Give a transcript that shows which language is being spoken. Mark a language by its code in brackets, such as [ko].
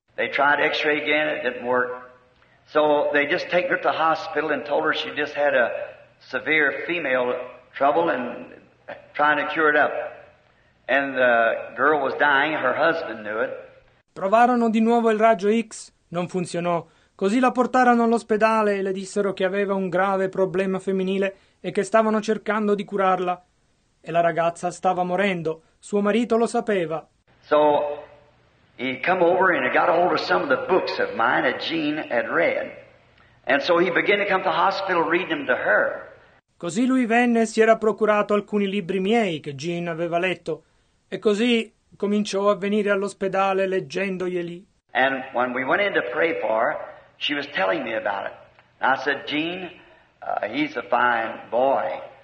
[en] They tried x-ray again, it didn't work. So they just take her to the hospital and told her she just had a severe female trouble and trying to cure it up. And the girl was dying, her husband knew it. [it] Provarono di nuovo il raggio X, non funzionò. Così la portarono all'ospedale e le dissero che aveva un grave problema femminile e che stavano cercando di curarla. E la ragazza stava morendo, suo marito lo sapeva. [en] So he came over and he got a hold of some of the books of mine that Jean had read. And so he began to come to the hospital reading them to her. [it] Così lui venne e si era procurato alcuni libri miei che Jean aveva letto. E così cominciò a venire all'ospedale leggendoglieli. [en] And when we went in to pray for her, she was telling me about it. And I said, Jean, he's a fine boy.